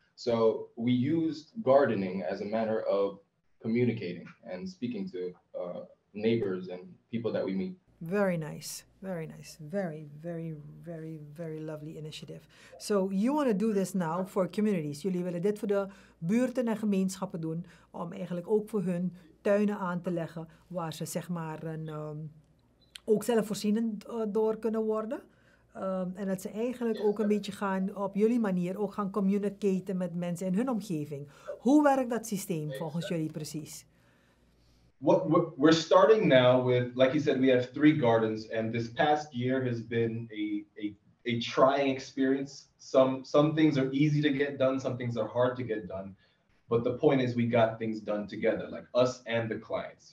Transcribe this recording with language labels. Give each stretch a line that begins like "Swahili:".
English: So we used gardening as a matter of communicating and speaking to neighbors and people that we meet. Very nice. Very nice. Very, very, very, very lovely initiative. So you want to do this now for communities.
Dutch: Jullie willen dit voor de buurten en gemeenschappen doen. Om eigenlijk ook voor hun tuinen aan te leggen. Waar ze zeg maar ook zelfvoorzienend door kunnen worden. En dat ze eigenlijk ook een beetje gaan, op jullie manier, ook gaan communiceren met mensen in hun omgeving. Hoe werkt dat systeem volgens jullie precies?
English: We're starting now with, like you said, we have three gardens. And this past year has been a trying experience. Some things are easy to get done, some things are hard to get done. But the point is, we got things done together, like us and the clients.